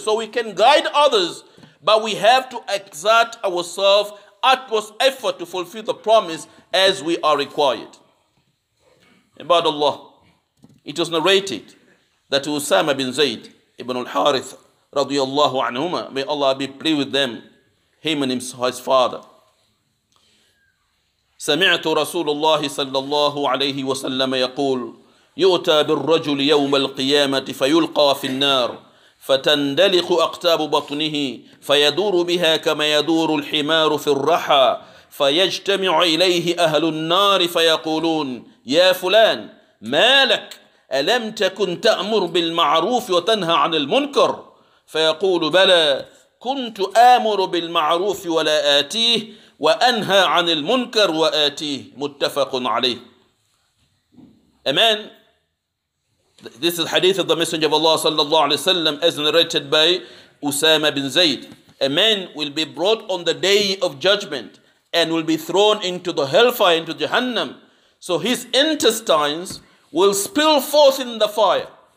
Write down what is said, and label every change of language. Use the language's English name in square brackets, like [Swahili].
[English] So we can guide others, but we have to exert ourselves utmost effort to fulfill the promise as we are required. About Allah, it was narrated that Usama bin Zayd ibn al-Harith radiyallahu anhuma, may Allah be pleased with them, him and his father, [Arabic] سمعت رسول الله صلى الله عليه وسلم يقول يؤتى بالرجل يوم القيامة فيلقى في النار فتندلق أقطاب بطنه فيدور بها كما يدور الحمار في الرحى فيجتمع إليه أهل النار فيقولون يا فلان ما لك ألم تكن تأمر بالمعروف وتنهى عن المنكر فيقول بلى كنت آمر بالمعروف ولا آتيه وأنهى عن المنكر وآتيه متفق عليه أمان. [English] This is hadith of the Messenger of Allah sallallahu alayhi wa sallam as narrated by Usama bin Zayd. A man will be brought on the day of judgment and will be thrown into the hellfire, into Jahannam. So his intestines will spill forth in the fire.